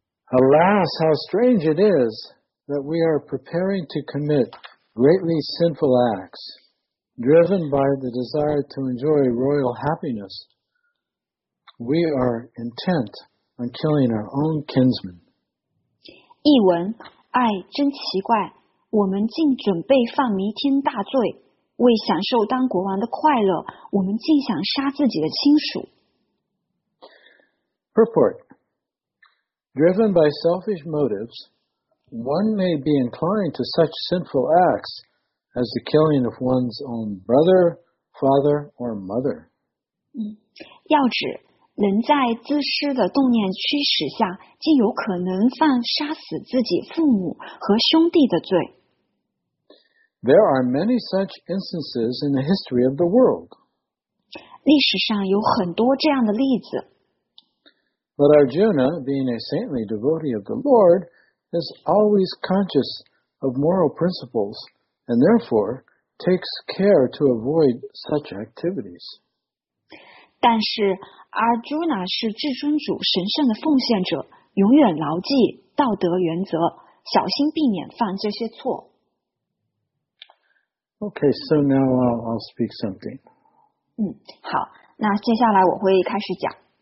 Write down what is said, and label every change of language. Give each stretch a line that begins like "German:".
English: Alas, how strange it is that we are preparing to commit greatly sinful acts, driven by the desire to enjoy royal happiness. We are intent on killing our own kinsmen.
Chinese: 译文，哎，真奇怪，我们竟准备犯弥天大罪，为享受当国王的快乐，我们竟想杀自己的亲属。
English: Purport. Driven by selfish motives, one may be inclined to such sinful acts as the killing of one's own brother, father, or mother.
Chinese: 要指人在自私的动念驱使下，竟有可能犯杀死自己父母和兄弟的罪。
English: There are many such instances in the history of the world.
Chinese: 历史上有很多这样的例子。
English: But Arjuna, being a saintly devotee of the Lord, is always conscious of moral principles and therefore takes care to avoid such activities.
Chinese: 但是 Arjuna 是至尊主神圣的奉献者，永远牢记道德原则，小心避免犯这些错。
English: Okay, so now I'll speak something.
Chinese: 好，那接下来我会开始讲。